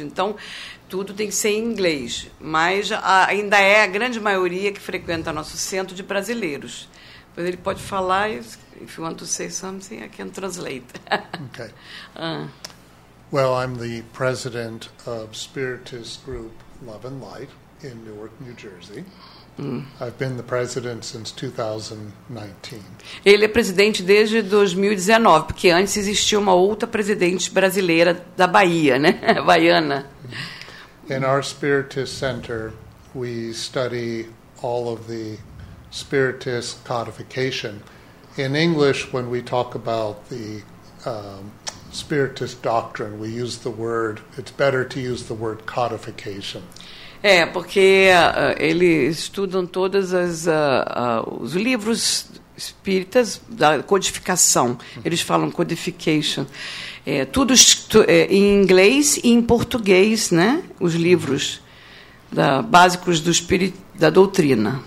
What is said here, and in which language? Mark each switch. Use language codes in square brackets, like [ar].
[pt] Então, tudo tem que ser em inglês. Mas ainda é a grande maioria que frequenta nosso centro de brasileiros. Pois ele pode falar... [en] If you want to say something, I can translate. Okay. Well, I'm the president of Spiritist Group Love and Light in Newark, New Jersey. I've been the president since 2019. [pt] Ele é presidente desde 2019, porque antes existia uma outra presidente brasileira da Bahia, né? Baiana. [en] In our Spiritist Center, we study all of the Spiritist codification. In English, when we talk about the Spiritist doctrine, we use the word, it's better to use the word codification. [pt] Porque eles estudam todos os livros espíritas da codificação. Eles falam codification. Em inglês e em português, né? Os livros básicos da doutrina.